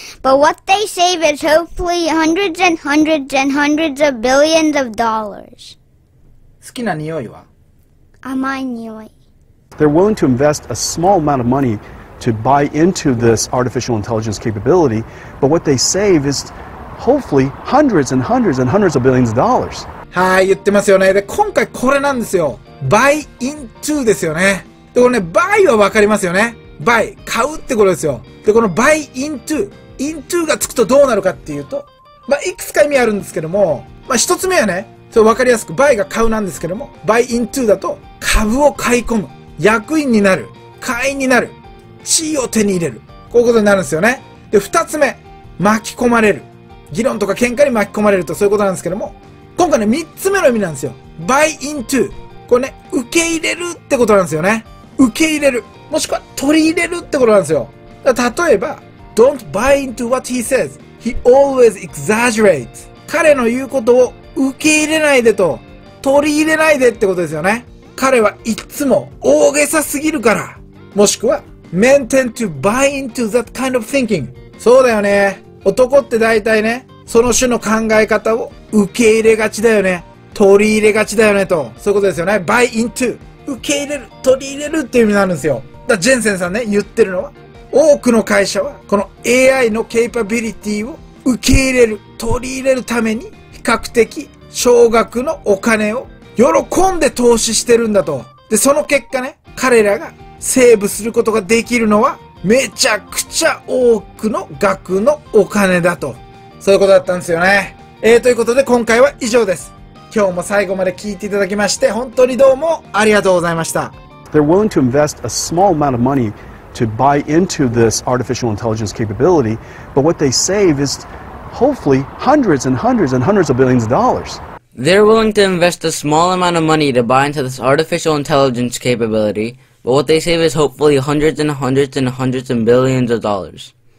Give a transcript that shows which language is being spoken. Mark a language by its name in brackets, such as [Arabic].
[English] But what they save is hopefully hundreds and hundreds and hundreds of billions of dollars. [Japanese] 好きな匂いは？甘い匂い。 [English] They're willing to invest a small amount of money to buy into this artificial intelligence capability. But what they save is hopefully hundreds and hundreds and hundreds of billions of dollars. [Japanese] はい、言ってますよね。で、今回これなんですよ。 buy into ですよね。で、これね、buy はわかりますよね。 buy、買うってことですよ。で、この buy into、into がつくとどうなるかっていうと、まあ、いくつか意味あるんですけども、まあ、一つ目はね、それわかりやすく、buy が買うなんですけども、buy into だと、株を買い込む、役員になる、会員になる、地位を手に入れる。こういうことになるんですよね。で、二つ目、巻き込まれる。議論とか喧嘩に巻き込まれると、そういうことなんですけども、今回ね、三つ目の意味なんですよ。 [English] buy into。 [Japanese] これね、受け入れるってことなんですよね。受け入れる。もしくは、取り入れるってことなんですよ。だから例えば、 [English] don't buy into what he says. He always exaggerates. [Japanese] 彼の言うことを受け入れないでと、取り入れないでってことですよね。彼はいつも大げさすぎるから。もしくは、 [English] men tend to buy into that kind of thinking. [Japanese] そうだよね。男って大体ね、その種の考え方を受け入れがちだよね。取り入れがちだよねと。そういうことですよね。 [English] buy into。 [Japanese] 受け入れる、取り入れるっていう意味になるんですよ。だからジェンセンさんね、言ってるのは、多くの会社は、この AI のケイパビリティを受け入れる、取り入れるために、比較的、少額のお金を喜んで投資してるんだと。で、その結果ね、彼らがセーブすることができるのは、めちゃくちゃ多くの額のお金だと。そういうことだったんですよね。ということで、今回は以上です。今日も最後まで聞いていただきまして、本当にどうもありがとうございました。 [English] They're willing to invest a small amount of money to buy into this artificial intelligence capability, but what they save is hopefully hundreds and hundreds and hundreds of billions of dollars. They're willing to invest a small amount of money to buy into this artificial intelligence capability, but what they save is hopefully hundreds and hundreds and hundreds of billions of dollars.